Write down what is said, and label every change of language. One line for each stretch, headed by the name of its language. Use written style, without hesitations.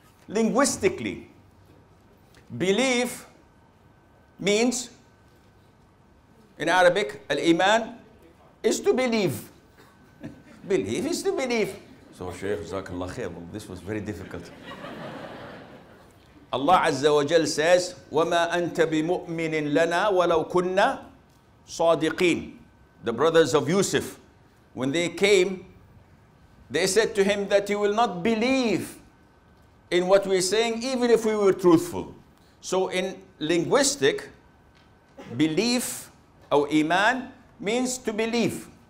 English: Linguistically, belief means, in Arabic, al-Iman is to believe. Belief is to believe. So Shaykh, Jazakallah khair. Well, this was very difficult. Allah Azza wa Jal says,
Arabic: وَمَا أَنْتَ بِمُؤْمِنٍ لَنَا وَلَوْ كُنَّا صَادِقِينَ.
English: The brothers of Yusuf, when they came, they said to him that you will not believe in what we're saying, even if we were truthful. So in linguistic, belief or Iman means to believe.